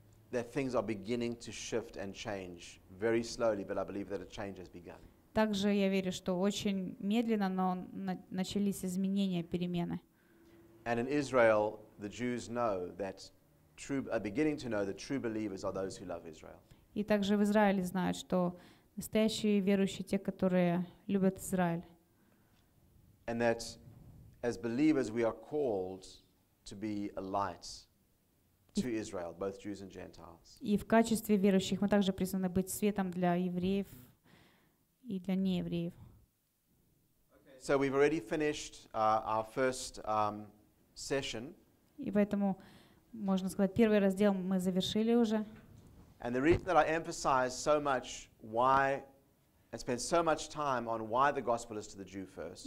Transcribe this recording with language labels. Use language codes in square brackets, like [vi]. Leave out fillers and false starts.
[en] That things are beginning to shift and change very slowly, but I believe that a change has begun. [ru] Также я верю, что очень медленно, но начались изменения, перемены. [en] And in Israel, the Jews know that are beginning to know that true believers are those who love Israel. [ru] И также в Израиле знают, что настоящие верующие те, которые любят Израиль. [en] And that as believers we are called to be a light to Israel, both Jews and Gentiles. [ru] И в качестве верующих мы также призваны быть светом для евреев и для неевреев. [en] Okay. So we've already finished our first session. [ru] И поэтому можно сказать, первый раздел мы завершили уже. [en] And the reason that I emphasize so much why and spend so much time on why the gospel is to the Jew first.